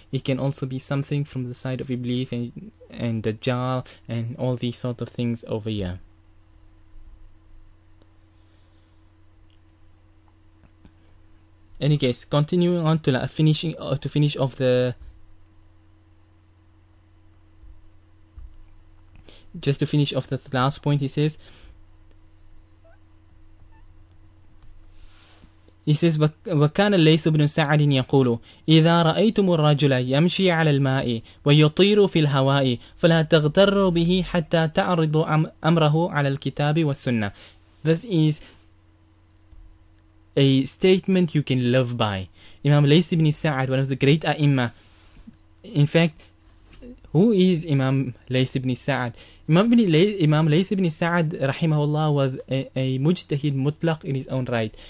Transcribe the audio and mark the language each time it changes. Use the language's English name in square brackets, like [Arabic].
[English] It can also be something from the side of Iblis and Dajjal and all these sort of things over here. Any case, continuing on to finish off the... Just to finish off the last point, he says, [Arabic] وَكَانَ اللَّيْثُ بْنُ سَعَدٍ يَقُولُ إِذَا رَأَيْتُمُ الرَّجُلَ يَمْشِي عَلَى الْمَاءِ وَيُطِيرُ فِي الْهَوَاءِ فَلَا تَغْتَرُّ بِهِ حَتَّى تَعْرِضُ أَمْرَهُ عَلَى الْكِتَابِ وَالسُّنَّةِ. [English] This is a statement you can live by. Imam Layth ibn Sa'ad, one of the great a'immah. In fact, who is Imam Layth ibn Sa'ad? Imam Layth ibn Sa'ad, rahimahullah, was a mujtahid mutlaq in his own right.